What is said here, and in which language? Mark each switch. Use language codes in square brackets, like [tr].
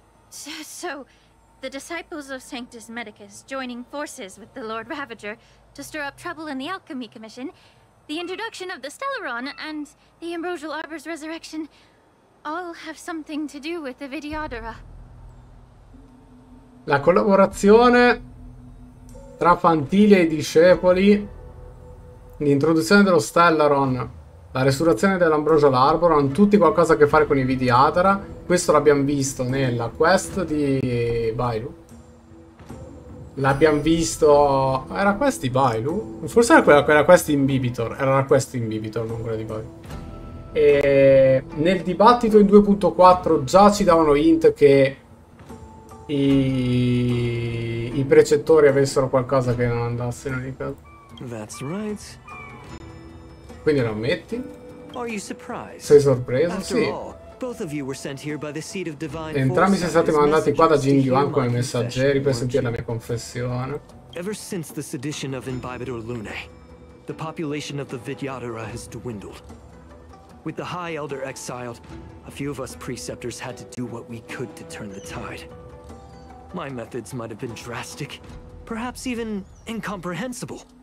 [en] So the disciples of Sanctus Medicus joining forces with the Lord Ravager to stir up trouble in the Alchemy Commission, the introduction of the Stellaron and the Ambrosial Arbor's resurrection all have something to do with the Vidiodora. [it] La collaborazione tra Fantilia e i discepoli, l'introduzione dello Stellaron, la resurrezione dell'Ambrosial Arbor, hanno tutti qualcosa a che fare con i Vidiadra. Questo l'abbiamo visto nella quest di Bailu. L'abbiamo visto... Era quest di Bailu? Forse era quella quest in Bibitor. Era la quest in Bibitor, non quella di Bailu. E nel dibattito in 2.4 già ci davano hint che i precettori avessero qualcosa che non andasse in ogni caso. [en] That's right. [it] Quindi lo ammetti? [en] Are you surprised? [it] Sei sorpreso? Sì. Entrambi siete stati mandati qua da Jing Yuan come messaggeri per sentire la mia confessione. [en] Ever since the sedition of Imbibitor Lune, the population of the Vidyadara has dwindled. With the High Elder exiled, a few of us preceptors had to do what we could to turn the tide. My methods might have been drastic, perhaps even incomprehensible.